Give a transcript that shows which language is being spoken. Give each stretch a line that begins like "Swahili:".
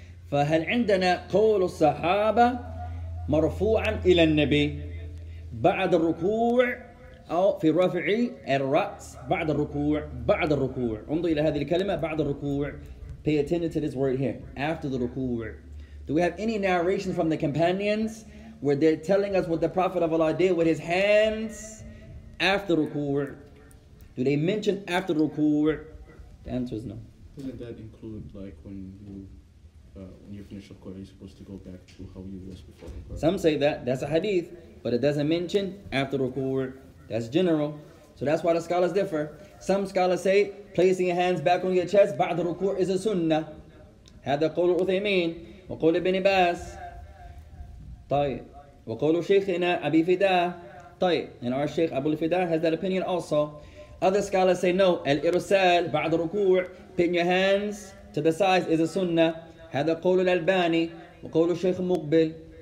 Arabic: فهل عندنا قول الصحابة مرفوعا إلى النبي بعد الركوع أو في رفع الرأس بعد الركوع بعد الركوع. انظر إلى هذه الكلمة بعد الركوع.
English: Pay attention to this word here. After the ركوع. Do we have any narration from the companions where they're telling us what the Prophet of Allah did with his hands after ركوع? Do they mention after ركوع? The answer is no. Doesn't that include like when you finish the Qur'an, you're supposed to go back to how you was before the Qur'an? Some say that. That's a hadith. But it doesn't mention after the Qur'an. That's general. So that's why the scholars differ. Some scholars say placing your hands back on your chest,
Arabic: بعد الركوع
English: is a sunnah.
Arabic: هذا قول الأثيمين وقول ابن باس. طيب. وقول شيخنا أبي فداء. طيب.
English: And our Sheikh Abu Fida has that opinion also. Other scholars say no.
Arabic: الإرسال بعد الركوع.
English: Pin your hands to the sides is a sunnah.
Arabic: هذا قول الألباني وقول الشيخ مقبل.